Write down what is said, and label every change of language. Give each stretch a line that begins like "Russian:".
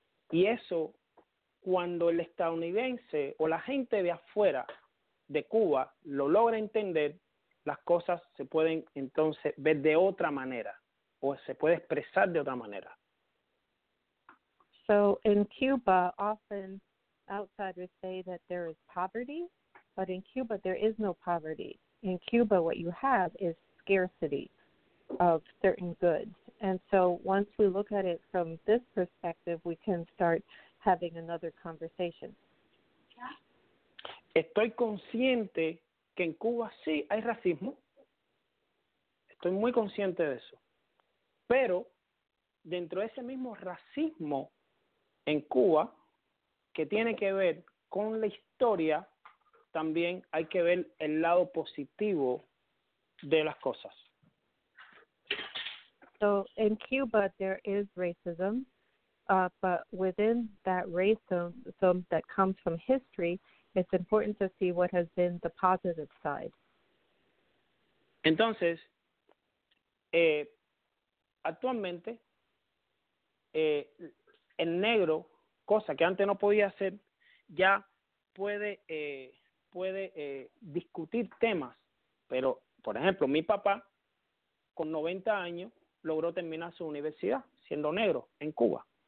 Spanish: Y eso, cuando el estadounidense o la gente de afuera de Cuba lo logra entender, las cosas se pueden entonces ver de otra manera o se puede expresar de otra manera.
English: So in Cuba, often outsiders say that there is poverty, but in Cuba there is no poverty. In Cuba, what you have is scarcity of certain goods. And so once we look at it from this perspective, we can start having another conversation.
Spanish: Estoy consciente que en Cuba sí hay racismo. Estoy muy consciente de eso. Pero dentro de ese mismo racismo en Cuba, que tiene que ver con la historia, también hay que ver el lado positivo de las cosas.
English: So in Cuba there is racism, but within that racism that comes from history, it's important to see what has been the positive side.
Spanish: Entonces, actualmente, el negro, cosa que antes no podía hacer, ya puede discutir temas. Pero, por ejemplo, mi papá, con 90 años, logró terminar su universidad siendo negro en Cuba.